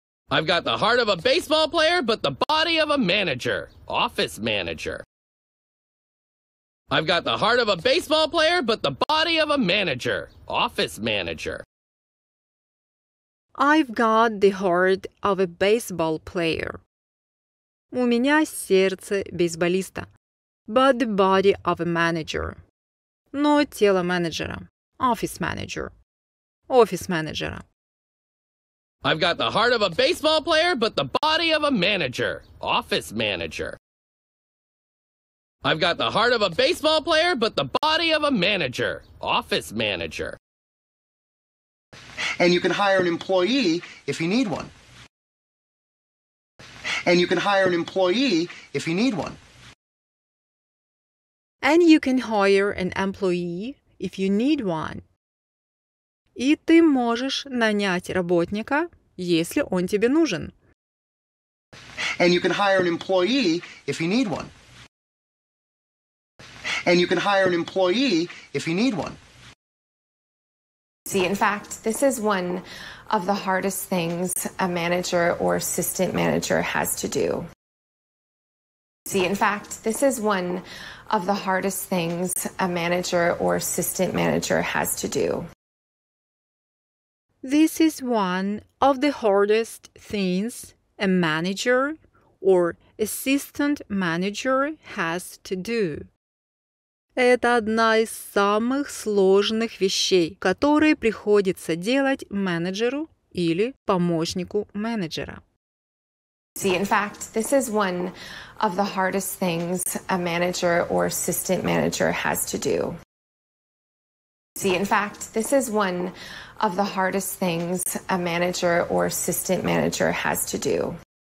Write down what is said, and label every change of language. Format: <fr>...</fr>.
<en>I've got the heart of a baseball player, but the body of a manager. Office manager. I've got the heart of a baseball player, but the body of a manager. Office manager. I've got the heart of a baseball player.</en> <ru>У меня сердце бейсболиста.</ru> <en>But the body of a manager.</en> <ru>Но тело менеджера.</ru> <en>Office manager. Office manager. I've got the heart of a baseball player, but the body of a manager. Office manager. I've got the heart of a baseball player, but the body of a manager. Office manager. And you can hire an employee if you need one. And you can hire an employee if you need one. And you can hire an employee if you need one.</en> <ru>И ты можешь нанять работника, если он тебе нужен.</ru> <en>And you can hire an employee if you need one. And you can hire an employee if you need one. See, in fact, this is one of the hardest things a manager or assistant manager has to do. See, in fact, this is one of the hardest things a manager or assistant manager has to do. This is one of the hardest things a manager or assistant manager has to do.</en> <ru>Это одна из самых сложных вещей, которые приходится делать менеджеру или помощнику менеджера.</ru> <en>See, in fact, this is one of the hardest things a manager or assistant manager has to do. See, in fact, this is one of the hardest things a manager or assistant manager has to do.</en>